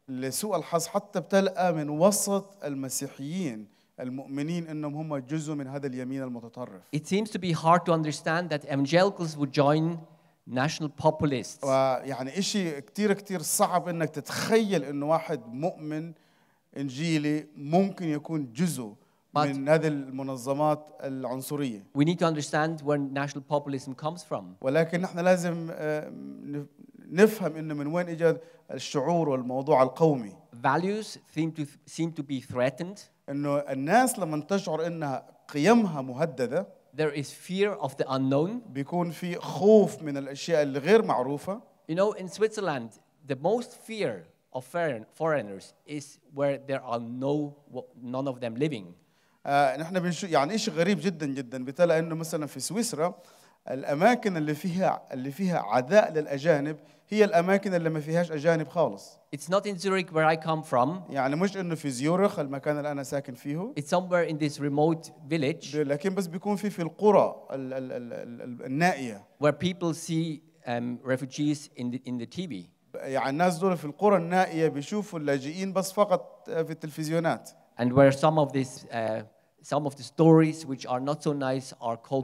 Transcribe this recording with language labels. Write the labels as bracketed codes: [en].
[ar] لسوء الحظ حتى بتلقى من وسط المسيحيين المؤمنين انهم هم جزء من هذا اليمين المتطرف. [en] It seems to be hard to understand that evangelicals would join national populists. [ar] يعني شيء كثير كثير صعب انك تتخيل انه واحد مؤمن انجيلي ممكن يكون جزء من هذه المنظمات العنصرية. [en] We need to understand where national populism comes from. [ar] ولكن نحن لازم نفهم انه من وين اجى الشعور والموضوع القومي. [en] Values seem to be threatened. [ar] انه الناس لما تشعر انها قيمها مهددة. [en] There is fear of the unknown. [ar] بيكون في خوف من الاشياء الغير معروفة. [en] You know, in Switzerland, the most fear of foreigners is where there are none of them living. [ar] نحن بنشوف يعني إشي غريب جدا بتلاقي إنه مثلا في سويسرا الأماكن اللي فيها عداء للأجانب هي الأماكن اللي ما فيهاش أجانب خالص. [en] It's not in Zurich where I come from. [ar] يعني مش إنه في زيورخ المكان اللي أنا ساكن فيه. [en] It's somewhere in this remote village. [ar] لكن بس بيكون في القرى النائية. [en] Where people see refugees in the TV. [ar] يعني الناس دول في القرى النائية بيشوفوا اللاجئين بس فقط في التلفزيونات. [en] And where some of the stories which are not so nice are cold